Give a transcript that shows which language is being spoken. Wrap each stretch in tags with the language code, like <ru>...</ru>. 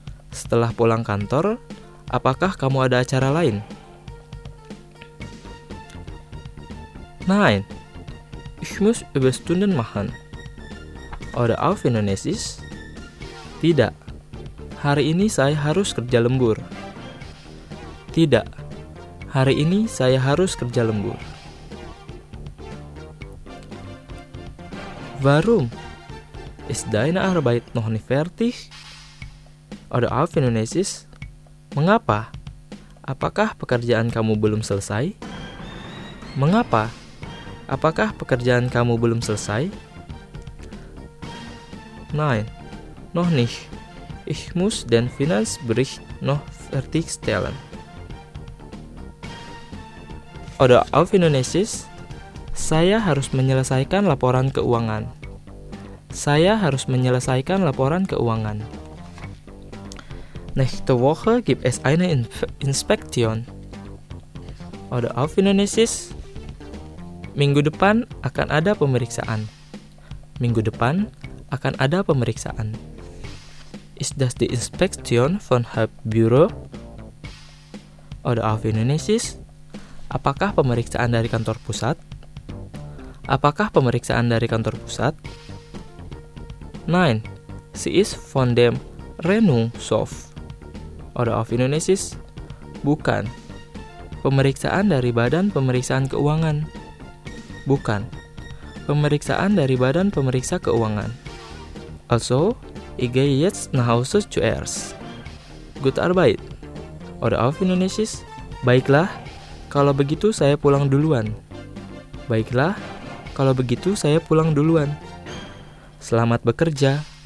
<id>Setelah pulang kantor, apakah kamu ada acara lain?</id> <de>Nein, ich muss Überstunden machen. Oder auf Indonesisch?</de> <id>Tidak, hari ini saya harus kerja lembur. Tidak, hari ini saya harus kerja lembur.</id> <de>Warum? Ist deine Arbeit noch nicht fertig? Oder auf Indonesisch?</de> <id>Mengapa? Apakah pekerjaan kamu belum selesai? Mengapa? Apakah pekerjaan kamu belum selesai?</id> <de>Nein, noch nicht. Ich muss den Finanzbericht noch fertigstellen. Oder auf Indonesisch?</de> <id>Saya harus menyelesaikan laporan keuangan. Saya harus menyelesaikan laporan keuangan.</id> <de>Nächste Woche gibt es eine Inspektion. Oder auf Indonesisch?</de> <id>Minggu depan akan ada pemeriksaan. Minggu depan akan ada pemeriksaan.</id> <de>Ist das die Inspektion von Hauptbüro? Oder auf Indonesisch?</de> <id>Apakah pemeriksaan dari kantor pusat? Apakah pemeriksaan dari kantor pusat?</id> <de>Nein, sie ist von dem Renungshof. Oder auf Indonesisch?</de> <id>Bukan. Pemeriksaan dari Badan Pemeriksaan Keuangan. Bukan. Pemeriksaan dari Badan Pemeriksa Keuangan.</id> <de>Also, ich gehe jetzt nach Hause zuerst. Gute Arbeit. Oder auf Indonesisch?</de> <id>Baiklah, kalau begitu saya pulang duluan. Baiklah, kalau begitu saya pulang duluan. Selamat bekerja.</id>